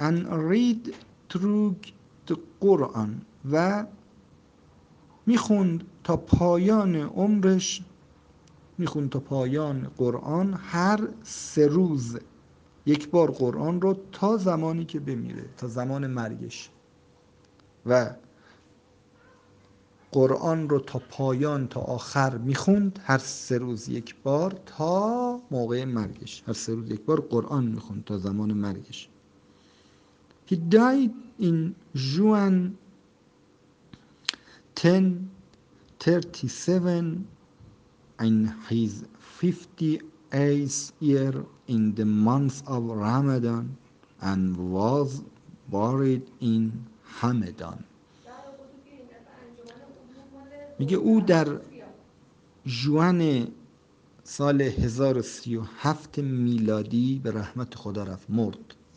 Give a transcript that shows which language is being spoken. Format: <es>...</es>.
<en>and read through the Quran،</en> <fa>و میخوند تا پایان عمرش، میخوند تا پایان قرآن، هر سه روز یک بار قرآن رو، تا زمانی که بمیره، تا زمان مرگش. و قرآن رو تا پایان، تا آخر میخوند، هر سه روز یک بار تا موقع مرگش، هر سه روز یک بار قرآن میخوند تا زمان مرگش.</fa> <en>He died in June 1037 in his 58th year in the month of Ramadan and was buried in Hamadan.</en> <fa>میگه او در جوان سال 1037 میلادی به رحمت خدا رفت، مرد.</fa>